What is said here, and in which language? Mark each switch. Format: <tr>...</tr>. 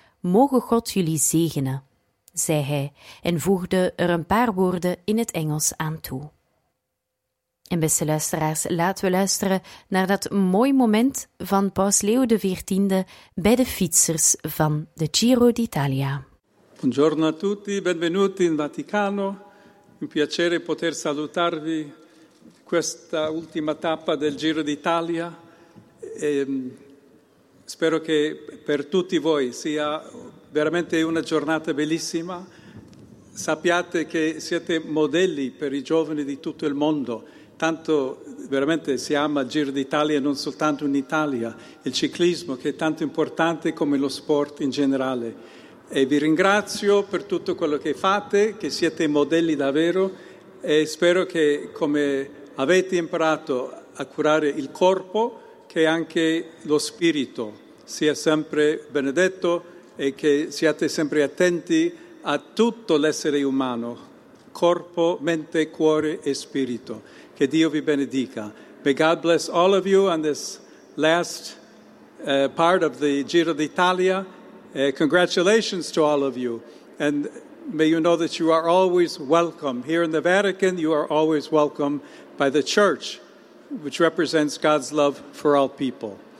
<nl>Mogen God jullie zegenen, zei hij en voegde er een paar woorden in het Engels aan toe. En beste luisteraars, laten we luisteren naar dat mooi moment van Paus Leo XIV bij de fietsers van de Giro d'Italia.</nl> <it>Buongiorno a tutti, benvenuti in Vaticano. Un piacere poter salutarvi questa ultima tappa del Giro d'Italia. E spero che per tutti voi sia veramente una giornata bellissima. Sappiate che siete modelli per i giovani di tutto il mondo. Tanto veramente si ama il Giro d'Italia non soltanto in Italia, il ciclismo che è tanto importante come lo sport in generale. E vi ringrazio per tutto quello che fate, che siete modelli davvero e spero che come avete imparato a curare il corpo, che anche lo spirito sia sempre benedetto e che siate sempre attenti a tutto l'essere umano, corpo, mente, cuore e spirito. Che Dio vi benedica.</it> <en>May God bless all of you on this last part of the Giro d'Italia. Congratulations to all of you. And may you know that you are always welcome. Here in the Vatican, you are always welcome by the Church, which represents God's love for all people.</en>